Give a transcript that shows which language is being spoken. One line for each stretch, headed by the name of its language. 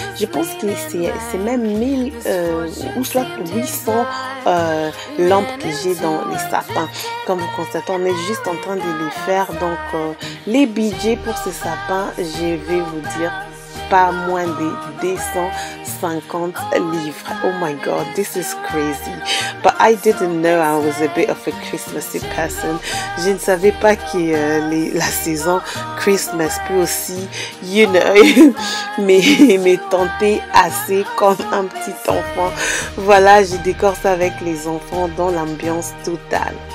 French: Je pense que c'est même 1000 ou soit 800 lampes que j'ai dans les sapins. Comme vous constatez, on est juste en train de les faire. Donc les budgets pour ces sapins, je vais vous dire pas moins de 250 livres.
English: Oh my god, this is crazy. But I didn't know I was a bit of a Christmassy person.
French: Je ne savais pas que la saison Christmas peut aussi,
English: you know,
French: me tenter assez comme un petit enfant. Voilà, je décore ça avec les enfants dans l'ambiance totale.